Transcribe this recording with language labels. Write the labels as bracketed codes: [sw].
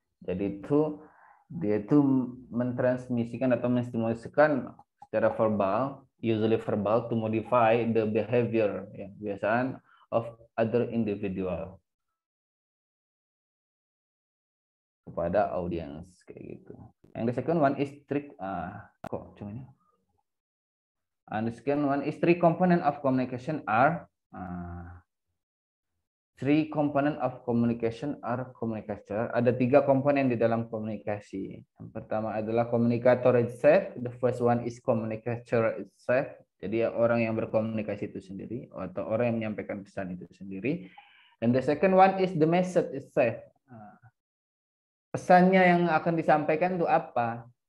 [id] Jadi itu dia itu mentransmisikan atau menstimulasikan secara verbal, [en] usually verbal, to modify the behavior, [id] ya, kebiasaan [en] of other individual [id] kepada audience, kayak gitu. [en] And the second one is three component of communication are three component of communication are communicator. [id] Ada tiga komponen di dalam komunikasi. Yang pertama adalah communicator itself. [en] The first one is communicator itself. [id] Jadi orang yang berkomunikasi itu sendiri atau orang yang menyampaikan pesan itu sendiri. [en] And the second one is the message itself. [id] Pesannya yang akan disampaikan itu apa?